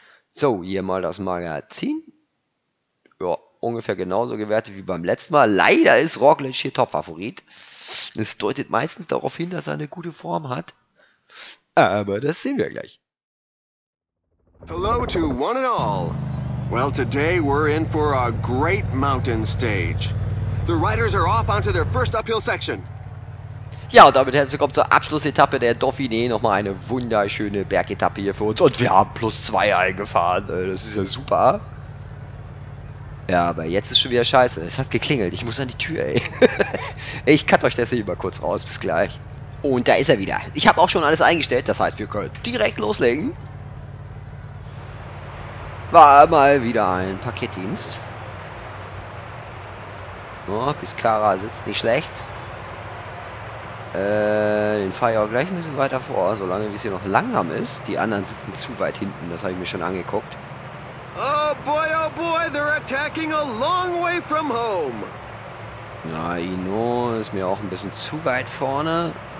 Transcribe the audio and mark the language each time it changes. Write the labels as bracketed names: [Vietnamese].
[German] So, hier mal das Magazin. Ja, ungefähr genauso gewertet wie beim letzten Mal. Leider ist Roglic hier Topfavorit. Es deutet meistens darauf hin, dass er eine gute Form hat. Aber das sehen wir gleich. [English] Hello to one and all. Well, today we're in for a great mountain stage. The riders are off onto their first uphill section. [German] Ja, und damit herzlich willkommen zur Abschlussetappe der Dauphiné. Nochmal eine wunderschöne Bergetappe hier für uns. Und wir haben plus zwei eingefahren. Das ist ja super. Ja, aber jetzt ist schon wieder scheiße. Es hat geklingelt. Ich muss an die Tür, ey. Ich cut euch das hier mal kurz raus. Bis gleich. Und da ist er wieder. Ich habe auch schon alles eingestellt. Das heißt, wir können direkt loslegen. War mal wieder ein Paketdienst. Oh, Piscara sitzt nicht schlecht. Den fahre ich auch gleich ein bisschen weiter vor, solange wie es hier noch langsam ist. Die anderen sitzen zu weit hinten, das habe ich mir schon angeguckt. [English] Oh boy, they're attacking a long way from home. [German] Na, Ino ist mir auch ein bisschen zu weit vorne.